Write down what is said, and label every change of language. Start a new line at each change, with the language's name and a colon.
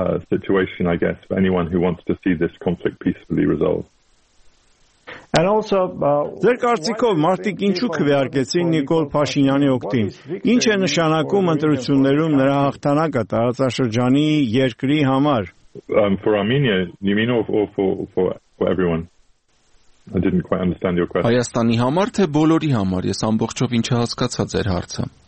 English: Situation, I guess, for anyone who wants to see this conflict peacefully resolved. And also,
Armenian: Ձեր կարծիքով մարդիկ ինչու քվեարկեցին Նիկոլ Փաշինյանի օգտին։ Ինչ է նշանակում ընտրություններում նրա հաղթանակը տարածաշրջանի երկրի համար։
English: For Armenia, you mean, or for everyone? I didn't quite understand your question.
Armenian: Հայաստանի համար թե բոլորի համար, ես ամբողջով ինչ հասկացա ձեր հարցը։